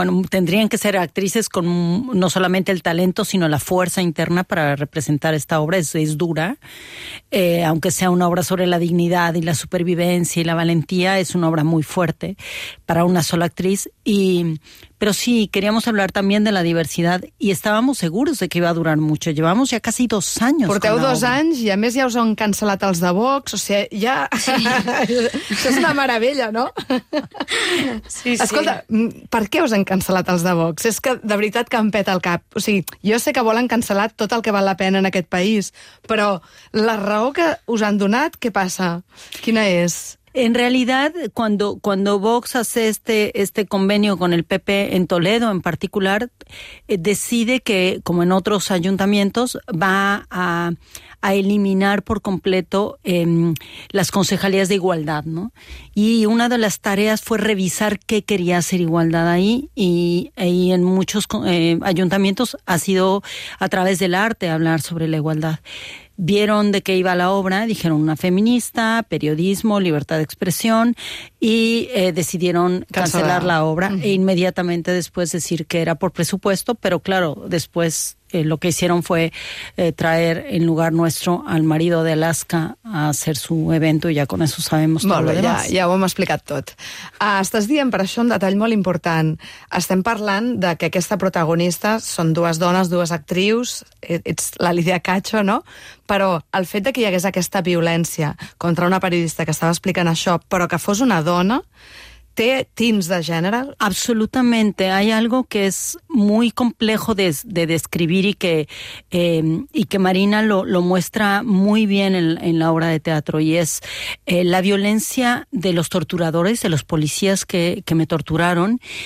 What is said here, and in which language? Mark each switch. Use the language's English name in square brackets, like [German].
[Spanish] tendrían que ser actrices con no solamente el talento, sino la fuerza interna para representar esta obra. Es dura, aunque sea una obra sobre la dignidad y la supervivencia y la valentía, es una obra muy fuerte para una sola actriz. Pero sí, queríamos hablar también de la diversidad y estábamos seguros de que iba a durar mucho. Llevamos ya casi 2 años. [Catalan] Porteu 2 anys i a més ja us han cancel·lat els de Vox. O sigui, ja... Sí. Això és una meravella, no? Sí, sí. Escolta, per què us han cancel·lat els de Vox? És que de veritat que em peta el cap. O sigui, jo sé que volen cancel·lar tot el que val la pena en aquest país, però la raó que us han donat, què passa? Quina és? [Spanish] En realidad, cuando Vox hace este convenio con el PP en Toledo en particular, decide que, como en otros ayuntamientos, va a eliminar por completo las concejalías de igualdad, ¿no? Y una de las tareas fue revisar qué quería hacer igualdad ahí, y en muchos ayuntamientos ha sido a través del arte hablar sobre la igualdad. Vieron de qué iba la obra, dijeron una feminista, periodismo, libertad de expresión, y decidieron cancelar la obra e inmediatamente después decir que era por presupuesto, pero claro, después lo que hicieron fue traer en lugar nuestro al marido de Alaska a hacer su evento, y ya con eso sabemos todo lo demás. [Catalan] Ja ho hem explicat tot. Estàs dient per això un detall molt important. Estem parlant de que aquesta protagonista són dues dones, dues actrius, ets la Lídia Cacho, no? Però el fet de que hi hagués aquesta violència contra una periodista que estava explicant això, però que fos una dona, ¿té tints de gènere? [Spanish] Absolutamente. Hay algo que es muy complejo de describir y que Marina lo muestra muy bien en la obra de teatro, y es la violencia de los torturadores, de los policías que me torturaron,